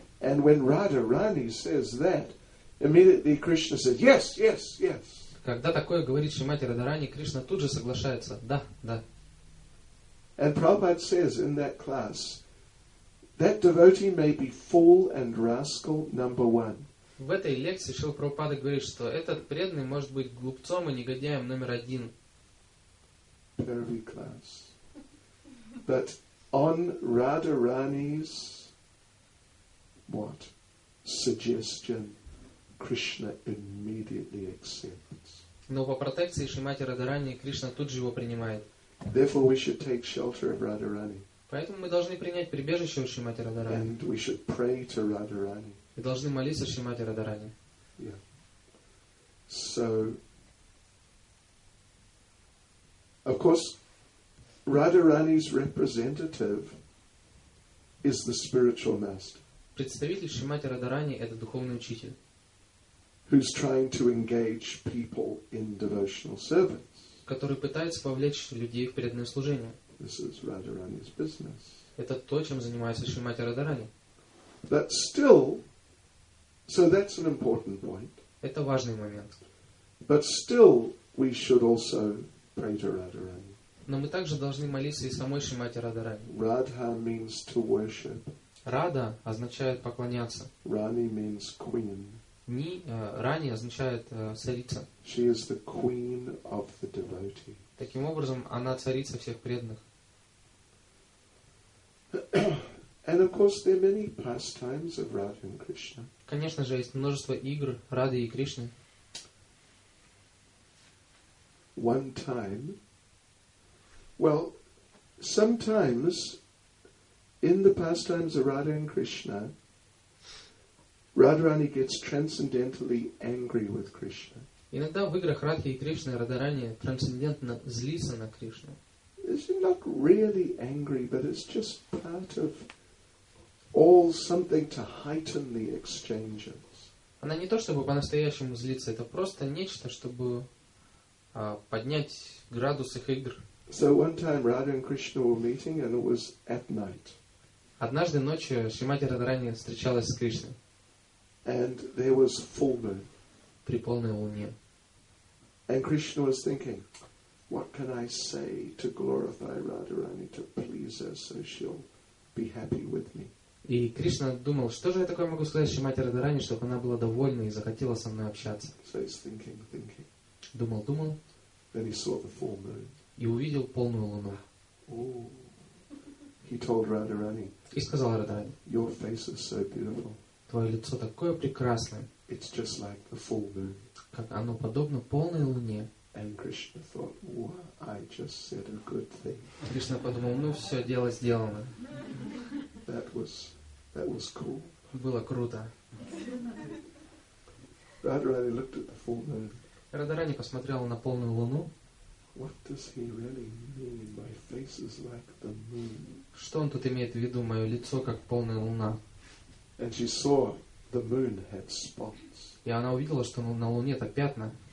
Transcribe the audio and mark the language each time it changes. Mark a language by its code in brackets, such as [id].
[en] And when Radharani says that, immediately Krishna says, yes. [ru] Когда такое говорит Шримати Радхарани, Кришна тут же соглашается, да. [en] And Prabhupada says in that class, that devotee may be fool and rascal number one. [ru] В этой лекции Шрила Прабхупада говорит, что этот преданный может быть глупцом и негодяем номер один. Pervy class. [en] But on Radharani's what suggestion, Krishna immediately accepts. [ru] Но по протекции Шримати Радхарани Кришна тут же его принимает. [en] Therefore, we should take shelter of Radharani. [ru] Поэтому мы должны принять прибежище у Шримати Радхарани. [en] And we should pray to Radharani. [ru] И должны молиться Шримати Радхарани. [en] Yeah. So, of course, Radharani's representative is the spiritual master. [ru] Представитель Шримати Радхарани – это духовный учитель. [en] Who's trying to engage people in devotional service. [ru] Который пытается повлечь людей в преданное служение. [en] This is Radharani's business. [ru] Это то, чем занимается Шримати Радхарани. [en] But still, so that's an important point. [ru] Это важный момент. [en] But still, we should also pray to Radharani. [ru] Но мы также должны молиться и самой Шримати Радхарани. [en] Radha means to worship. [ru] Рада означает поклоняться. [en] Rani means queen. [ru] Рани означает царица. [en] She is the queen of the devotee. [ru] Таким образом, она царица всех преданных. [en] And of course, there are many pastimes of Radha and Krishna. [ru] Конечно же, есть множество игр Рады и Кришны. [en] One time, well, sometimes in the pastimes of Radha and Krishna, Radharani gets transcendentally angry with Krishna. [ru] Иногда в играх Радхи и Кришны Радхарани трансцендентно злится на Кришну. [en] It's not really angry, but it's just part of all something to heighten the exchanges. [ru] Она не то чтобы по-настоящему злится, это просто нечто, чтобы поднять градус их игр. [en] So one time Radha and Krishna were meeting, and it was at night. [ru] Однажды ночью Шримати Радхарани встречалась с Кришной. [en] And there was full moon. [ru] При полной луне. [en] And Krishna was thinking, what can I say to glorify Radharani, to please her, so she'll be happy with me? [ru] И Кришна думал, что же я такое могу сказать Шримати Радхарани, чтобы она была довольна и захотела со мной общаться. [en] So he's thinking. [ru] Думал. [en] Then he saw the full moon. [ru] И увидел полную луну. [en] He told Radharani. [ru] И сказал Радхарани. [en] Your face is so beautiful. [ru] Твое лицо такое прекрасное. [en] It's just like the full moon. [ru] Как оно подобно полной луне. [en] And Krishna thought, I just said a good thing. [ru] Кришна подумал, все дело сделано. [en] That was cool. [ru] Было круто. [en] Radharani looked at the full moon. [ru] Радхарани посмотрела на полную луну. [en] What does he really mean? My face is like the moon. [ru] Что он тут имеет в виду? Мое лицо как полная луна. [en] And she saw the moon had spots. [ru] И она увидела, что на луне это пятна.